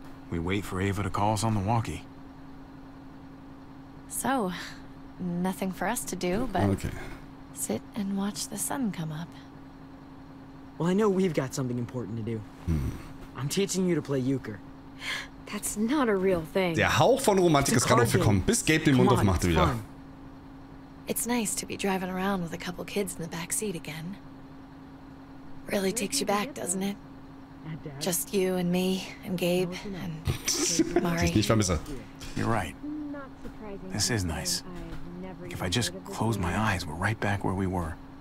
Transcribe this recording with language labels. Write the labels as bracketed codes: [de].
[en] We wait for Ava to call us on the walkie. So, nothing for us to do but sit and watch the sun come up. Well, I know we've got something important to do. I'm teaching you to play euchre. That's not a real thing. [de] Der Hauch von Romantik ist gerade aufgekommen, bis Gabe den Mund aufmachte wieder. [en] It's nice to be driving around with a couple kids in the back seat again. Really takes you back, doesn't it? Just you and me and Gabe and Mari. [de] Ich vermisse. [en] You're right. This is nice. If I just close my eyes, we're right back where we were.